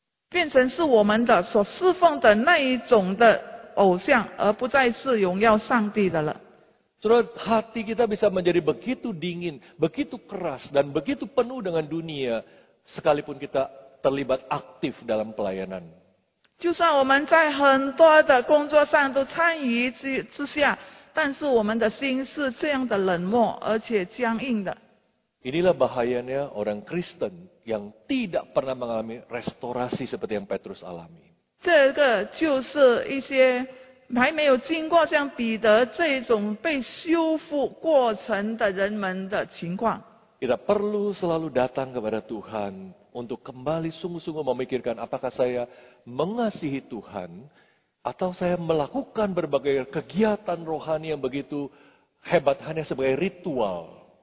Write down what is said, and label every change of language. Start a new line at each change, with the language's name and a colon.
Chinese: 变成是我们的所侍奉的那一种的偶像，而不再是荣耀上帝的了。
Indonesian: Saudara, hati kita bisa menjadi begitu dingin, begitu keras, dan begitu penuh dengan dunia, sekalipun kita terlibat aktif dalam pelayanan.
Chinese: 就算我们在很多的工作上都参与之下, 但是我们的心是这样的冷漠而且僵硬的。
Indonesian: Inilah bahayanya orang Kristen yang tidak pernah mengalami restorasi seperti yang Petrus alami.
Chinese: 这个就是一些还没有经过像彼得这种被修复过程的人们的情况。
Indonesian: Kita perlu selalu datang kepada Tuhan untuk kembali sungguh-sungguh memikirkan apakah saya mengasihi Tuhan atau saya melakukan berbagai kegiatan rohani yang begitu hebat hanya sebagai ritual.